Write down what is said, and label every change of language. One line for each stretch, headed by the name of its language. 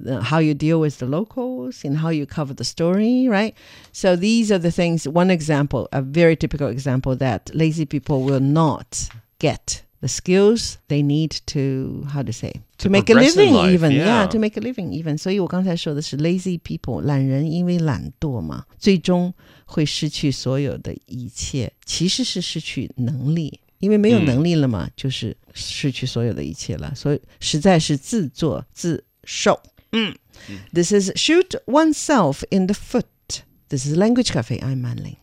English: how you deal with the locals and how you cover the story, right? So these are the things, one example, a very typical example that lazy people will not get the skills they need to, how to say, to make a living even. Yeah. yeah, to make a living even.
Chinese: 所以我刚才说的是 lazy people, 懒人因为懒惰嘛。最终会失去所有的一切，其实是失去能力，因为没有能力了嘛、嗯、就是失去所有的一切了，所以实在是自作自受。嗯
English: This is shoot oneself in the foot. This is Language Cafe. I'm Manling.